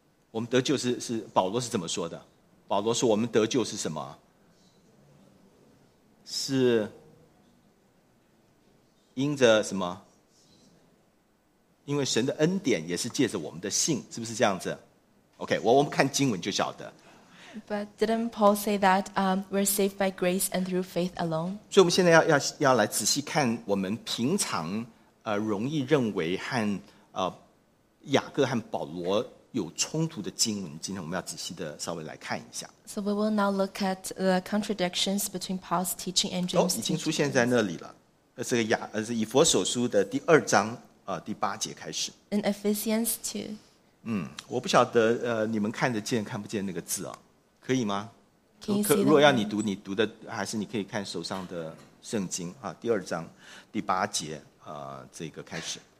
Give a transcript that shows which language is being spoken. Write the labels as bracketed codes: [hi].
[zh] 我们得救是保罗是怎么说的？保罗说我们得救是什么？是因着什么？因为神的恩典，也是借着我们的信，是不是这样子 ？OK， 我们看经文就晓得。 [en] But didn't Paul say that we're saved by grace and through faith alone? [zh] 所以我们现在要来仔细看我们平常容易认为和雅各和保罗有冲突的经文。今天我们要仔细的稍微来看一下。 [en] So we will now look at the contradictions between Paul's teaching and James' teaching. [zh] 已经出现在那里了。这个以弗所书的第二章第八节开始。 [en] In Ephesians 2. [zh] 我不晓得你们看得见看不见那个字啊。可以吗？如果要你读，你读的还是你可以看手上的圣经第二章第八节这个开始。